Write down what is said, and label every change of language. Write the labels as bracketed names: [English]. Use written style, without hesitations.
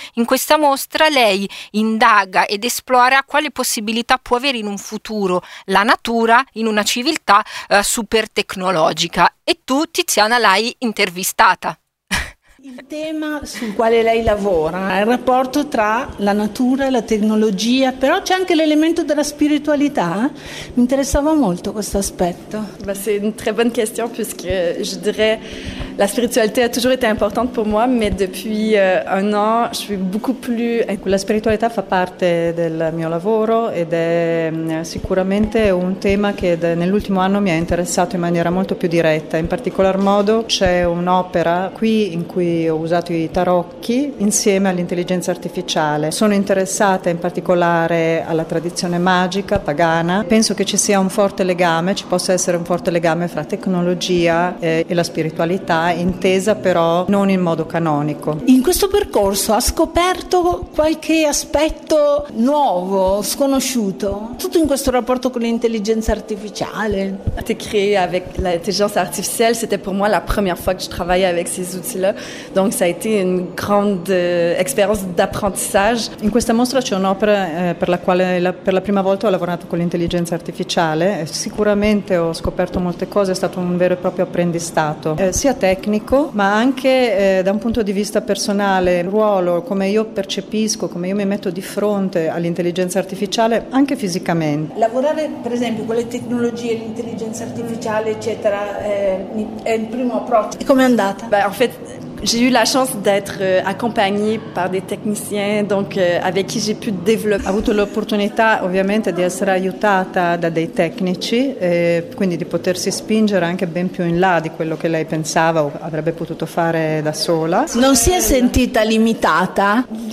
[Italian] In questa mostra lei indaga ed esplora quali possibilità può avere in un futuro la natura in una civiltà super tecnologica. E tu, Tiziana, l'hai intervistata. Il tema sul quale lei lavora è il rapporto tra la natura e la tecnologia, però c'è anche l'elemento della spiritualità. Mi interessava molto questo aspetto. Ma c'è una [French] très bonne question, puisque je dirais [Italian] la spiritualità ha [French] toujours été importante pour moi, mais depuis un an je suis beaucoup plus. [Italian] Ecco, la spiritualità fa parte del mio lavoro ed è sicuramente un tema che nell'ultimo anno mi ha interessato in maniera molto più diretta. In particolar modo c'è un'opera qui in cui ho usato i tarocchi insieme all'intelligenza artificiale. Sono interessata in particolare alla tradizione magica pagana. Penso che ci sia un forte legame, ci possa essere un forte legame fra tecnologia e la spiritualità, intesa però non in modo canonico. In questo percorso ha scoperto qualche aspetto nuovo, sconosciuto? Tutto in questo rapporto con l'intelligenza artificiale. [French] Te créé avec l'intelligence artificielle, c'était pour moi la première fois que je travaillais avec ces outils-là. Donc ça a été une grande expérience d'apprentissage. [Italian] In questa mostra c'è un'opera per la quale per la prima volta ho lavorato con l'intelligenza artificiale. Sicuramente ho scoperto molte cose, è stato un vero e proprio apprendistato, sia tecnico ma anche da un punto di vista personale, il ruolo, come io percepisco, come io mi metto di fronte all'intelligenza artificiale, anche fisicamente. Lavorare per esempio con le tecnologie, l'intelligenza artificiale eccetera, è il primo approccio. E come è andata? [French] Beh, en fait, j'ai eu la chance d'être accompagnée par des techniciens, donc avec qui j'ai pu développer. [Italian] Ho avuto l'opportunità ovviamente di essere aiutata da dei tecnici, quindi di potersi spingere anche ben più in là di quello che lei pensava o avrebbe potuto fare da sola. Non si è sentita limitata?